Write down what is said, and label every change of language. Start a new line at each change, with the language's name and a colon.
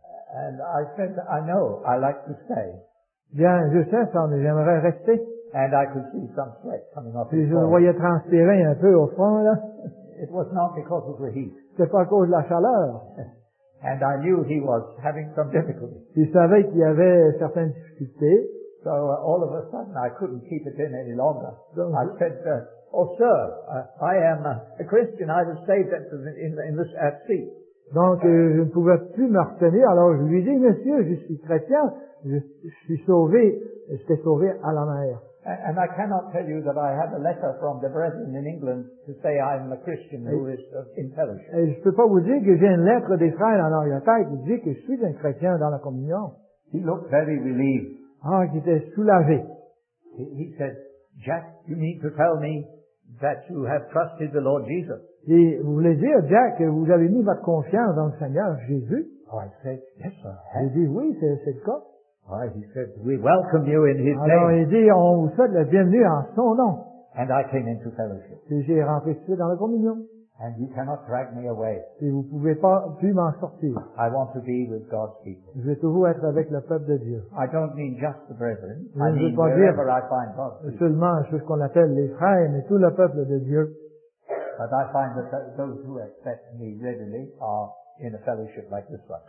English: And I said, I know, I like to stay.
French: Bien, je sais ça, mais j'aimerais rester.
English: And I could see some sweat coming off.
French: Puis je le voyais transpirer un peu au fond, là.
English: It was not because of the heat.
French: C'est pas à cause de la chaleur.
English: And I knew he was having some difficulty.
French: Je savais qu'il y avait certaines difficultés.
English: So all of a sudden I couldn't keep it in any longer. Donc, I said, oh sir, I am a Christian, I was saved at sea.
French: Donc, je ne pouvais plus me retenir. Alors, je lui dis, monsieur, je suis chrétien, j'étais sauvé à la mer.
English: And I cannot tell you that I have a letter from the brethren in England to say I am a Christian who is in fellowship.
French: Et je peux pas vous dire que j'ai une lettre des frères en Angleterre qui dit que je suis un chrétien dans la communion.
English: He looked very relieved.
French: Ah, il était soulagé.
English: He said, Jack, you need to tell me that you have trusted the Lord Jesus.
French: Et vous voulez dire, Jack, que vous avez mis votre confiance dans le Seigneur Jésus?
English: Oh, I said, yes, sir.
French: Il dit, oui, c'est le cas.
English: Oh, he said, we welcome you in his name.
French: Alors, il dit, on vous souhaite la bienvenue en son nom.
English: And I came into fellowship.
French: Et j'ai rentré dans la communion.
English: And you cannot drag me away.
French: Et vous ne pouvez pas plus m'en sortir.
English: I want to be with God's people.
French: Je veux toujours être avec le peuple de Dieu.
English: I don't mean just the brethren.
French: Je ne veux pas dire
English: I find God's
French: seulement ce qu'on appelle les frères, mais tout le peuple de Dieu.
English: But I find that those who accept me readily are in a fellowship like this one.